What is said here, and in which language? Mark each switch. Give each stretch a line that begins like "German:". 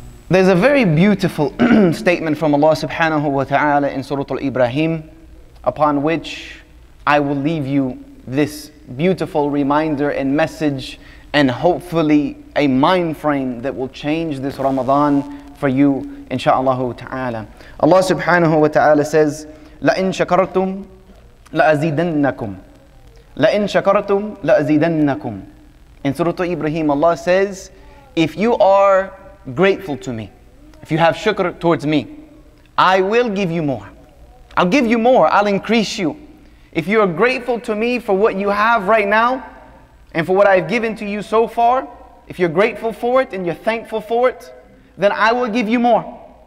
English: There's a very beautiful statement from Allah subhanahu wa ta'ala in Surah Al-Ibrahim, upon which I will leave you this beautiful reminder and message, and hopefully a mind frame that will change this Ramadan for you, insha'Allah ta'ala. Allah subhanahu wa ta'ala says,
Arabic: لَإِن شَكَرْتُمْ لَأَزِيدَنَّكُمْ لَإِن شَكَرْتُمْ لَأَزِيدَنَّكُمْ.
English: In Surah Ibrahim, Allah says, if you are grateful to me, if you have shukr towards me, I will give you more. I'll give you more, I'll increase you. If you are grateful to me for what you have right now and for what I've given to you so far, if you're grateful for it and you're thankful for it, then I will give you more.